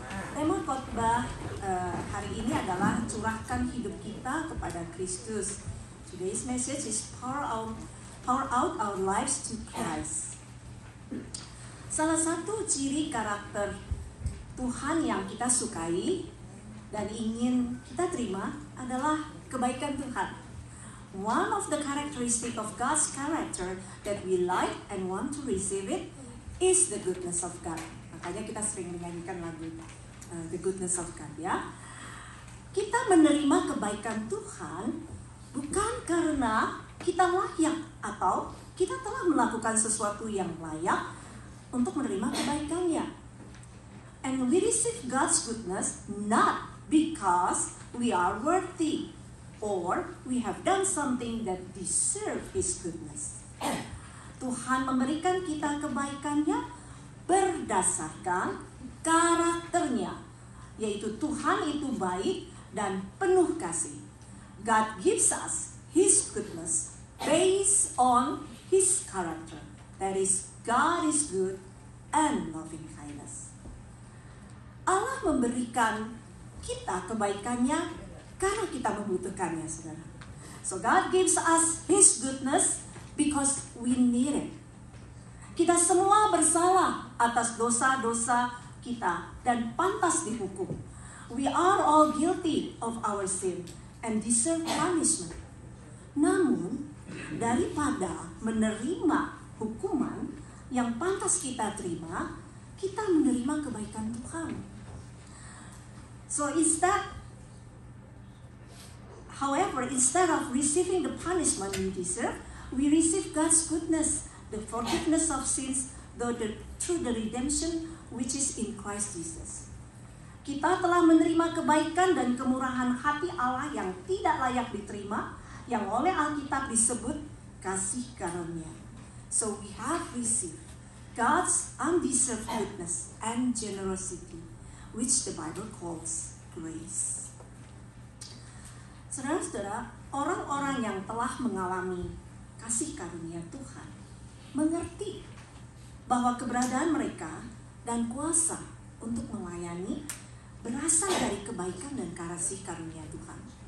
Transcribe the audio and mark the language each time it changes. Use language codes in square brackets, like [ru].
[id] Tema khotbah hari ini adalah curahkan hidup kita kepada Kristus. [en] Today's message is pour out our lives to Christ. [id] Salah satu ciri karakter Tuhan yang kita sukai dan ingin kita terima adalah kebaikan Tuhan. [en] One of the characteristic of God's character that we like and want to receive it is the goodness of God. [id] Makanya kita sering menyanyikan lagu The Goodness of God, ya. Kita menerima kebaikan Tuhan bukan karena kita layak atau kita telah melakukan sesuatu yang layak untuk menerima kebaikannya. [en] And we receive God's goodness not because we are worthy or we have done something that deserve His goodness. [id] Tuhan memberikan kita kebaikannya berdasarkan karakternya, yaitu Tuhan itu baik dan penuh kasih. [en] God gives us His goodness based on His character. That is, God is good and loving kindness. [id] Allah memberikan kita kebaikannya karena kita membutuhkannya, saudara. [en] So God gives us His goodness because we need it. [id] Kita semua bersalah atas dosa-dosa kita dan pantas dihukum. [en] We are all guilty of our sin and deserve punishment. [id] Namun, daripada menerima hukuman yang pantas kita terima, kita menerima kebaikan Tuhan. [en] So instead of receiving the punishment we deserve, we receive God's goodness, the forgiveness of sins, through the redemption which is in Christ Jesus. [id] Kita telah menerima kebaikan dan kemurahan hati Allah yang tidak layak diterima, yang oleh Alkitab disebut kasih karunia. [en] So we have received God's undeserved goodness and generosity, which the Bible calls grace. [id] Saudara-saudara, orang-orang yang telah mengalami kasih karunia Tuhan mengerti bahwa keberadaan mereka dan kuasa untuk melayani berasal dari kebaikan dan kasih karunia Tuhan.